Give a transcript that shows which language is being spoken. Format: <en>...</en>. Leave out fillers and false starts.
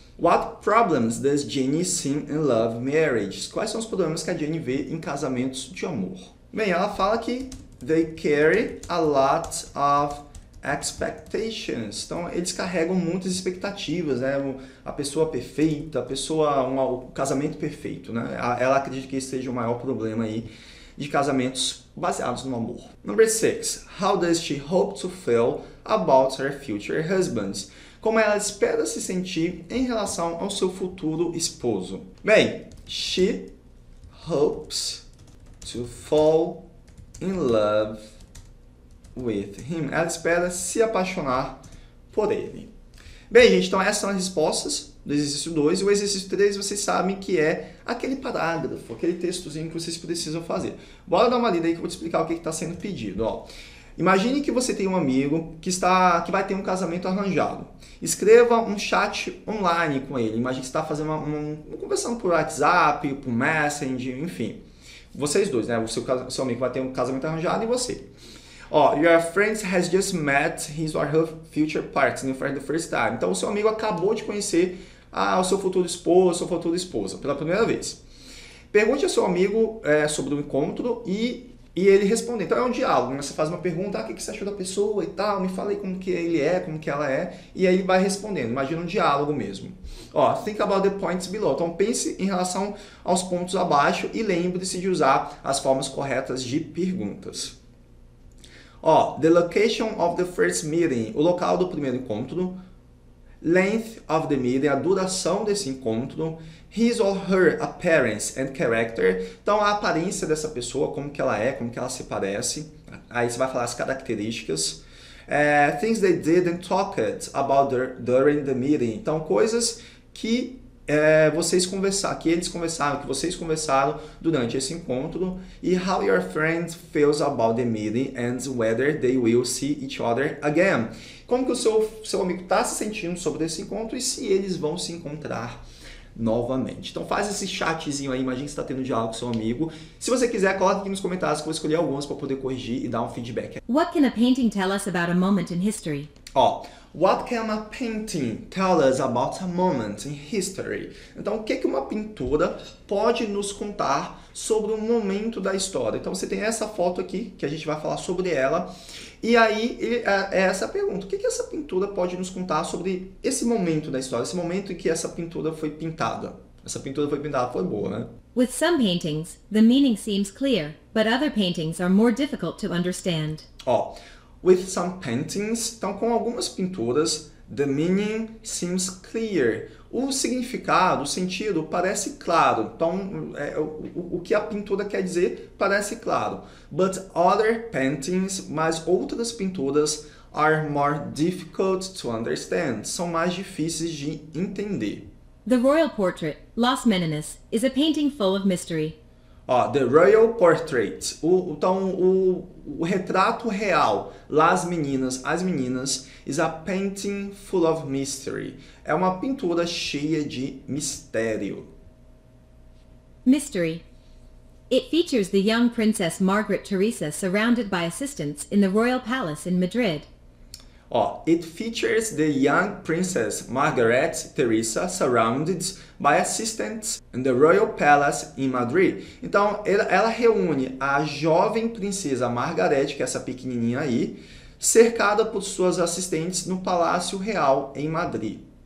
<en>What problems does Jenny see in love marriages?</en> <pt>Quais são os problemas que a Jenny vê em casamentos de amor? Bem, ela fala que</pt> <en>they carry a lot of expectations.</en> <pt>Então, eles carregam muitas expectativas, né? A pessoa perfeita, o casamento perfeito, né? Ela acredita que esse seja o maior problema aí de casamentos baseados no amor.</pt> <en>Number 6. How does she hope to feel about her future husband?</en> <pt>Como ela espera se sentir em relação ao seu futuro esposo?</pt> <en>Bem, she hopes to fall in love with him.</en> <pt>Ela espera se apaixonar por ele. Bem, gente, então essas são as respostas do exercício 2. E o exercício 3, vocês sabem que é aquele parágrafo, aquele textozinho que vocês precisam fazer. Bora dar uma lida aí que eu vou te explicar o que está sendo pedido. Ó, imagine que você tem um amigo que vai ter um casamento arranjado. Escreva um chat online com ele. Imagine que você está fazendo conversando por WhatsApp, por Messenger, enfim. Vocês dois, né? O seu amigo vai ter um casamento arranjado e você.</pt> <en>Your friend has just met his or her future partner for the first time.</en> <pt>Então, o seu amigo acabou de conhecer o seu futuro esposo, sua futura esposa, pela primeira vez. Pergunte ao seu amigo sobre o encontro e ele responde. Então, é um diálogo, né? Você faz uma pergunta, o que você achou da pessoa e tal, me fala aí como que ele é, como que ela é, e aí ele vai respondendo. Imagina um diálogo mesmo.</pt> <en>Think about the points below.</en> <pt>Então, pense em relação aos pontos abaixo e lembre-se de usar as formas corretas de perguntas.</pt> <en>The location of the first meeting,</en> <pt>o local do primeiro encontro.</pt> <en>Length of the meeting,</en> <pt>a duração desse encontro.</pt> <en>His or her appearance and character,</en> <pt>então a aparência dessa pessoa, como que ela é, como que ela se parece. Aí você vai falar as características.</pt> <en>Things they did and talked about during the meeting,</en> <pt>então coisas que vocês conversaram durante esse encontro.</pt> <en>E how your friend feels about the meeting and whether they will see each other again.</en> <pt>Como que o seu amigo está se sentindo sobre esse encontro e se eles vão se encontrar novamente. Então faz esse chatzinho aí, imagina que você está tendo diálogo com seu amigo. Se você quiser, coloca aqui nos comentários que eu vou escolher alguns para poder corrigir e dar um feedback.</pt> <en>What can a painting tell us about a moment in history? Ó, what can a painting tell us about a moment in history?</en> <pt>Então, o que, que uma pintura pode nos contar sobre um momento da história? Então, você tem essa foto aqui, que a gente vai falar sobre ela. E aí, é essa a pergunta. O que, que essa pintura pode nos contar sobre esse momento da história? Esse momento em que essa pintura foi pintada. Essa pintura foi pintada, foi boa, né?</pt> <en>With some paintings, the meaning seems clear, but other paintings are more difficult to understand. Ó, with some paintings,</en> <pt>então com algumas pinturas,</pt> <en>the meaning seems clear.</en> <pt>O significado, o sentido parece claro. Então, o que a pintura quer dizer parece claro.</pt> <en>But other paintings,</en> <pt>mas outras pinturas,</pt> <en>are more difficult to understand.</en> <pt>São mais difíceis de entender.</pt> <en>The Royal Portrait, Las Meninas, is a painting full of mystery. Ó, The Royal Portrait,</en> <pt>o retrato real,</pt> <en>As Meninas, is a painting full of mystery.</en> <pt>É uma pintura cheia de mistério.</pt> <en>Mystery. It features the young princess Margaret Teresa surrounded by assistants in the Royal Palace in Madrid. Ó, it features the young princess Margaret Teresa surrounded by assistants in the Royal Palace in Madrid.</en> <pt>Então, ela reúne a jovem princesa Margaret, que é essa pequenininha aí, cercada por suas assistentes no Palácio Real em Madrid.</pt>